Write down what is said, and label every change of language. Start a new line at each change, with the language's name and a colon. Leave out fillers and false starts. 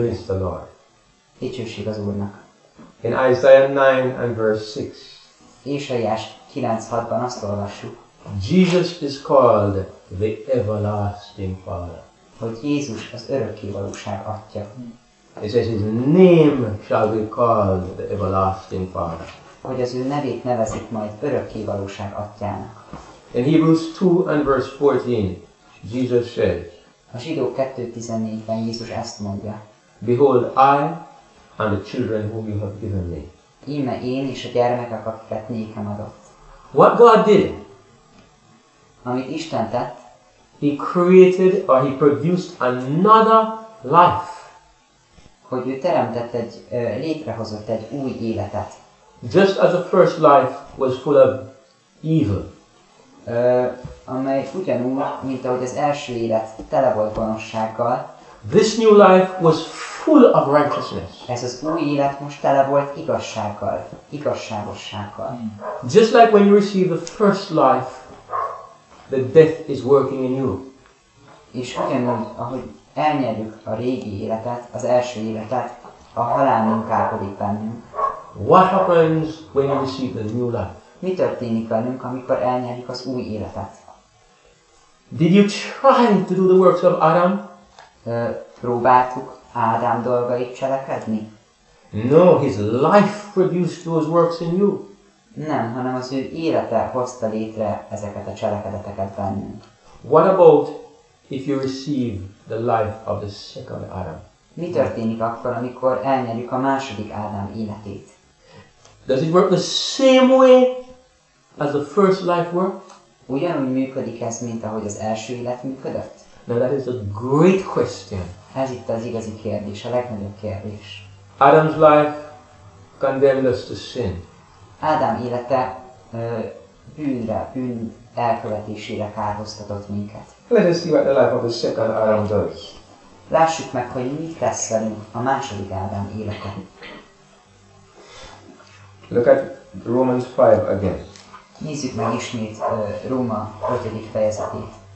English: Praise the Lord.
Hungarian: Dicsőség az Úrnak.
English: In Isaiah 9 and verse 6.
Hungarian: Ésaiás 9:6-ban azt olvassuk.
English: Jesus is called the everlasting father.
Hungarian: Hogy Jézus az örökké valóság atya.
English: It says his name shall be called the everlasting father.
Hungarian: Hogy az ő nevét nevezik majd örökké valóság atyának.
English: In Hebrews 2 and verse 14, Jesus says,
Hungarian: a zsidók 2:14-ben Jézus ezt mondja.
English: Behold, I and the children whom you have given me.
Hungarian: Íme én és a gyermekek, akiket nékem adott.
English: What God did?
Hungarian: Amit Isten tett.
English: He created or he produced another life.
Hungarian: Hogy ő teremtett egy, létrehozott egy új életet.
English: Just as the first life was full of evil.
Hungarian: Amely ugyanúgy, mint ahogy az első élet tele volt gonoszsággal.
English: This new life was full of righteousness.
Hungarian: Ez az új élet most tele volt igazsággal, igazságossággal.
English: Just like when you receive the first life, the death is working in you.
Hungarian: És ugyanúgy, ahogy elnyerjük a régi életet, az első életet, a halál munkálkodik bennünk.
English: What happens when you receive the new life?
Hungarian: Mi történik velünk, amikor elnyerjük az új életet?
English: Did you try to do the works of Adam?
Hungarian: Próbáltuk Ádám dolgait cselekedni?
English: No, his life produced those works in you.
Hungarian: Nem, hanem az ő élete hozta létre ezeket a cselekedeteket bennünk.
English: What about if you receive the life of the second Adam?
Hungarian: Mi történik akkor, amikor elnyerjük a második Ádám életét?
English: Does it work the same way as the first life worked?
Hungarian: Ugyanúgy működik ez, mint ahogy az első élet működött?
English: Now that is a great question.
Hungarian: Ez itt az igazi kérdés, a legnagyobb kérdés.
English: Adam's life condemned us to sin.
Hungarian: Ádám élete bűnre, bűn elkövetésére kárhoztatott minket.
English: Let us see what the life of the second Adam does.
Hungarian: Lássuk meg, hogy mit tesz velünk a második Ádám élete.
English: Look at Romans 5 again.
Hungarian: Nézzük meg ismét Róma 5. fejezetét.